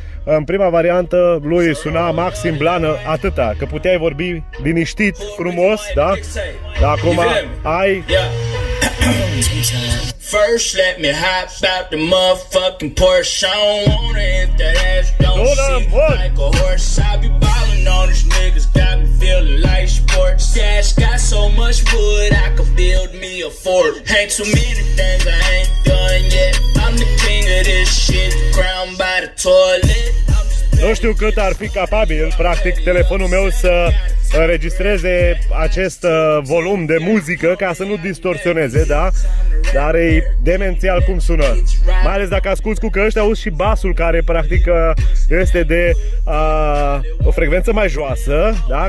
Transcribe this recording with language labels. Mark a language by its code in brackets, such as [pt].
[ro] În prima variantă lui suna maxim blană atâta, că puteai vorbi liniștit, frumos, da? Dar acum ai... [en] First let me hop out the motherfucking Porsche. I don't wanna hit that ass. Don't seem like a horse. I be ballin' on these niggas. Got me feelin' like sports. Cash got so much wood I could build me a fort. Ain't too many things I ain't done yet. I'm the king of this shit. Crowned by the toilet. [ro] Nu știu cât ar fi capabil, practic, telefonul meu să înregistreze acest volum de muzică ca să nu distorsioneze, da? Dar e demențial cum sună. Mai ales dacă asculti cu căști, auzi și basul care, practic, este de o frecvență mai joasă, da?